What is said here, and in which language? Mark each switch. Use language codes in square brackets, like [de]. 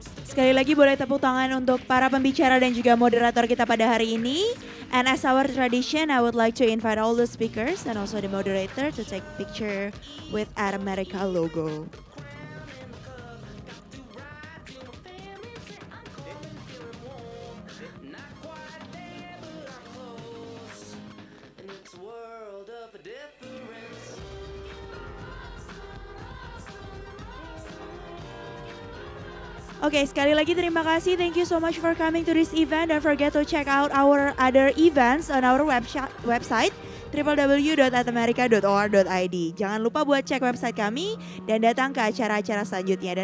[id] Sekali lagi boleh tepuk tangan untuk para pembicara dan juga moderator kita pada hari ini. [en] And as our tradition, I would like to invite all the speakers and also the moderator to take picture with Ad America logo. Okay, [id] sekali lagi terima kasih. [en] Thank you so much for coming to this event. Don't forget to check out our other events on our website www.atamerica.or.id. [id] Jangan lupa buat cek website kami dan datang ke acara-acara selanjutnya.